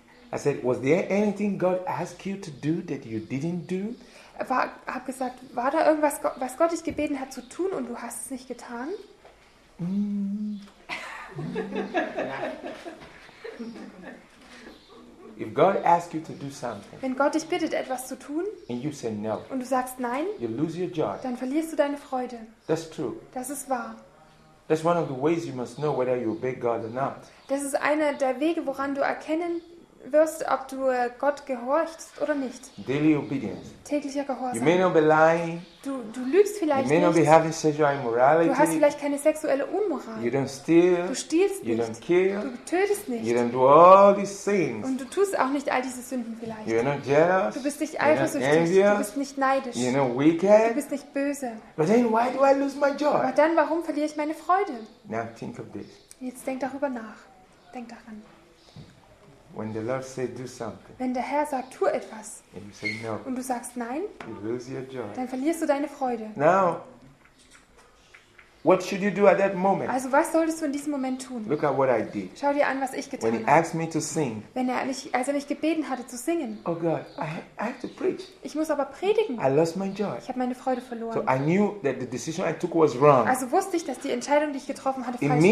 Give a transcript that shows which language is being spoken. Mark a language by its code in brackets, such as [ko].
[en] I said, was there anything God asked you to do that you didn't do? [de] Hab gesagt, war da irgendwas, was Gott dich gebeten hat zu tun und du hast es nicht getan? [en] If God asks you to do something, [de] wenn Gott dich bittet, etwas zu tun, [en] and you say no, [de] und du sagst nein, [en] you lose your joy. [de] Dann verlierst du deine Freude. [en] That's true. [de] Das ist wahr. [en] That's one of the ways you must know whether you obey God or not. [de] Das ist einer der Wege, woran du erkennen wirst, ob du Gott gehorchst oder nicht. [en] Daily obedience. [de] Täglicher Gehorsam. [en] You may not be lying. [de] Du lügst vielleicht [en] you may [de] nicht. [en] Not be having sexual immorality. [de] Du hast vielleicht keine sexuelle Unmoral. [en] You don't steal. [de] Du stiehlst [en] you [de] nicht. [en] Don't kill. [de] Du tötest nicht. [en] You don't do all these things. [de] Und du tust auch nicht all diese Sünden vielleicht. [en] You're not jealous. [de] Du bist nicht eifersüchtig. Du bist nicht neidisch. [en] You're not wicked. [de] Du bist nicht böse. [en] But then why do I lose my joy? [de] Aber dann, warum verliere ich meine Freude? [en] Now think of this. [de] Jetzt denk darüber nach. Denk daran. [en] When the Lord says do something, [de] wenn der Herr sagt, tu etwas, [en] and you say no, [de] und du sagst nein, [en] you lose your joy. [de] Dann verlierst du deine Freude. [en] Now, what should you do at that moment? [de] Also was solltest du in diesem Moment tun? [en] Look at what I did. [de] Schau dir an, was ich getan [en] when [de] habe. [en] He asked me to sing, [de] wenn er mich, als er mich gebeten hatte zu singen. [en] Oh God, okay. I have to preach. [de] Ich muss aber predigen. [en] I lost my joy. [de] Ich habe meine Freude verloren. [en] So I knew that the decision I took was wrong. [de] Also wusste ich, dass die Entscheidung, die ich getroffen hatte, falsch